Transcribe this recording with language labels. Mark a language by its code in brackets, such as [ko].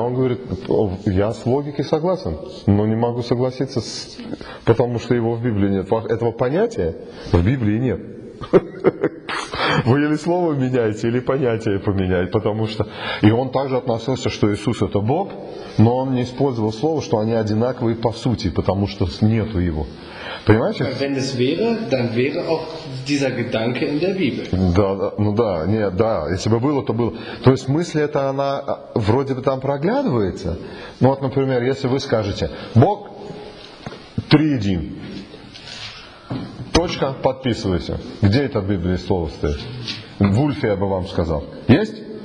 [ru] Он говорит, я с логикой согласен, но не могу согласиться, потому что его в Библии нет. Этого понятия в Библии нет. Вы или слово меняете, или понятие поменяете, потому что... И он также относился, что Иисус это Бог, но он не использовал слово, что они одинаковые по сути, потому что нету его. Понимаете? [de] Wenn es wäre, dann wäre auch dieser Gedanke in der Bibel. [ru] Да, если бы было, то было. То есть мысль эта, она вроде бы там проглядывается. Ну вот, например, если вы скажете, Бог триедин. Точка, подписывайся. Где это в Библии слово стоит? Вульфия бы вам сказал. Есть?